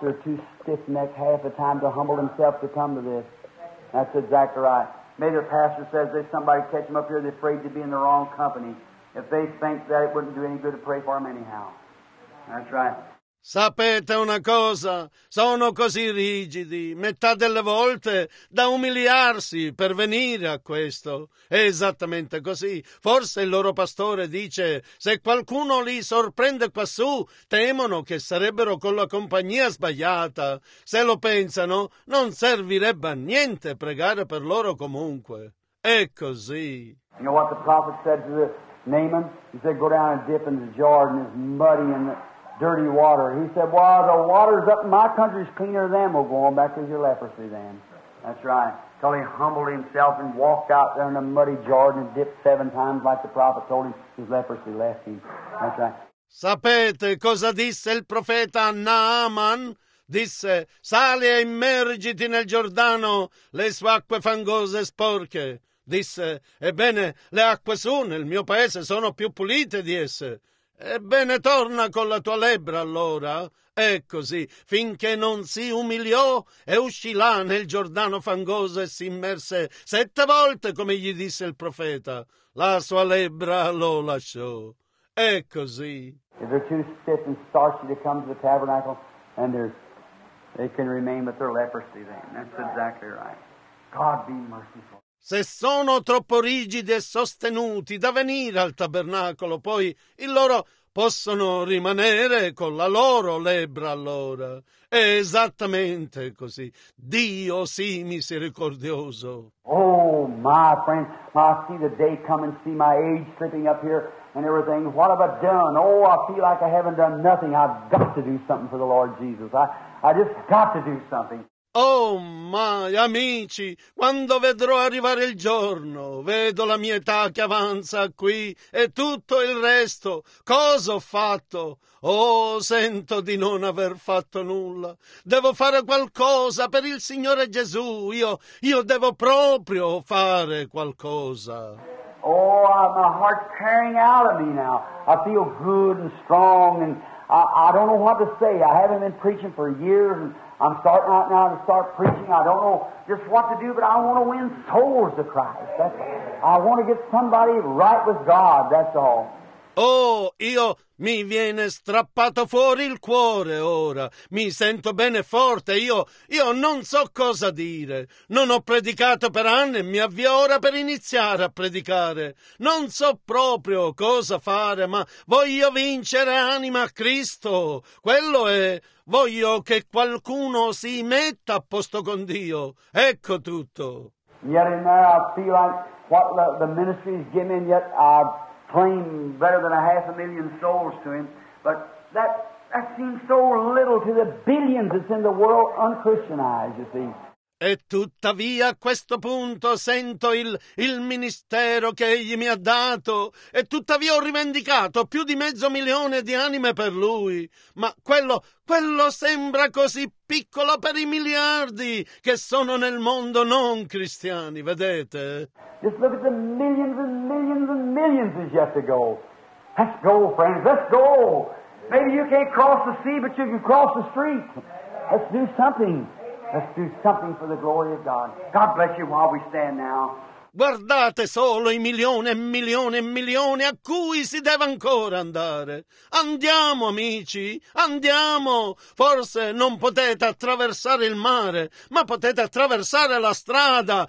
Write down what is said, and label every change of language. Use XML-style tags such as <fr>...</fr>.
<en>They're too stiff-necked half the time to humble themselves to come to this. That's exactly right. Maybe the pastor says there's somebody catch them up here, they're afraid to be in the wrong company. If they think that, it wouldn't do any good to pray for them anyhow. That's right.</en> <it>Sapete una cosa? Sono così rigidi, metà delle volte, da umiliarsi per venire a questo. È esattamente così. Forse il loro pastore dice, se qualcuno li sorprende quassù, temono che sarebbero con la compagnia sbagliata. Se lo pensano, non servirebbe a niente pregare per loro comunque. È così.</it> <en>You know what the prophet said to the Naaman? He said, go down and dip in the Jordan, it's muddy and dirty water. He said, well, the water's up in my country's cleaner than we'll go on back to your leprosy then. That's right. Until he humbled himself and walked out there in the muddy Jordan and dipped seven times like the prophet told him, his leprosy left him. That's right.</en> <it>Sapete cosa disse il profeta Naaman? Disse, sali e immergiti nel Giordano, le sue acque fangose e sporche. Disse, ebbene, le acque su nel mio paese sono più pulite di esse. Ebbene, torna con la tua lebbra allora. È così, finché non si umiliò e uscì là nel Giordano fangoso e si immerse sette volte, come gli disse il profeta, la sua lebbra lo lasciò. È così.</it> <en>If they're too stiff and starchy to come to the tabernacle, and they can remain with their leprosy then. That's exactly right. God be merciful.</en> <it>Se sono troppo rigidi e sostenuti da venire al tabernacolo, poi il loro possono rimanere con la loro lebbra allora. È esattamente così. Dio sì misericordioso.</it> <en>Oh, my friend, I see the day coming, see my age slipping up here. and everything. What have I done? Oh, I feel like I haven't done nothing. I've got to do something for the Lord Jesus. I just got to do something.</en> <it>Oh, my, amici, quando vedrò arrivare il giorno, vedo la mia età che avanza qui e tutto il resto, cosa ho fatto? Oh, sento di non aver fatto nulla. Devo fare qualcosa per il Signore Gesù. Io devo proprio fare qualcosa.</it> <en>Oh, my heart's tearing out of me now. I feel good and strong and I don't know what to say. I haven't been preaching for years and I'm starting out now to start preaching. I don't know just what to do, but I want to win souls to Christ. I want to get somebody right with God, that's all.</en> <it>Oh, io mi viene strappato fuori il cuore ora. Mi sento bene forte. Io non so cosa dire. Non ho predicato per anni e mi avvio ora per iniziare a predicare. Non so proprio cosa fare, ma voglio vincere anima a Cristo. Quello è, voglio che qualcuno si metta a posto con Dio. Ecco tutto.</it> <en>Yet in there I feel like what the ministry is giving, yet I've claim better than 500,000 souls to him, but that seems so little to the billions that's in the world unchristianized, you see.</en> <it>E tuttavia a questo punto sento il ministero che egli mi ha dato, e tuttavia ho rivendicato più di 500,000 di anime per lui, ma quello sembra così piccolo per i miliardi che sono nel mondo non cristiani, vedete?</it> <en>Just look at the millions and millions and millions is yet to go. Let's go, friends, let's go. Maybe you can't cross the sea, but you can cross the street. Let's do something. Let's do something for the glory of God. God bless you while we stand now.</en> <it>Guardate solo i milioni e milioni e milioni a cui si deve ancora andare. Andiamo, amici, andiamo. Forse non potete attraversare il mare, ma potete attraversare la strada.</it>